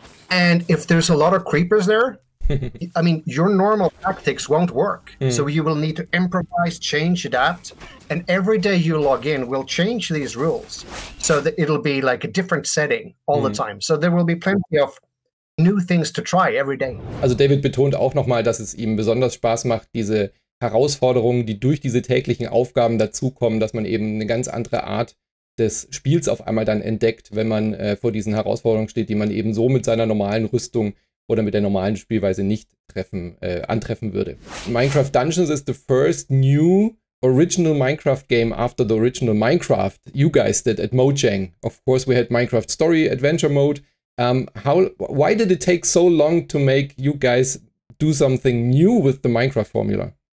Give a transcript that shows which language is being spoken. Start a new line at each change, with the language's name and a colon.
English: And if there's a lot of creepers there, I mean, your normal tactics won't work. Mm. So you will need to improvise, change, adapt. And every day you log in, we'll change these rules so that it'll be like a different setting all the time. So there will be plenty of new things to try every day.
German: Also David betont auch nochmal, dass es ihm besonders Spaß macht, diese Herausforderungen, die durch diese täglichen Aufgaben dazukommen, dass man eben eine ganz andere Art des Spiels auf einmal dann entdeckt, wenn man vor diesen Herausforderungen steht, die man eben so mit seiner normalen Rüstung oder mit der normalen Spielweise nicht antreffen würde.
English: Minecraft Dungeons is the first new original Minecraft game after the original Minecraft you guys did at Mojang. Of course we had Minecraft Story Adventure Mode. Why did it take so long to make you guys do something new with the Minecraft formula?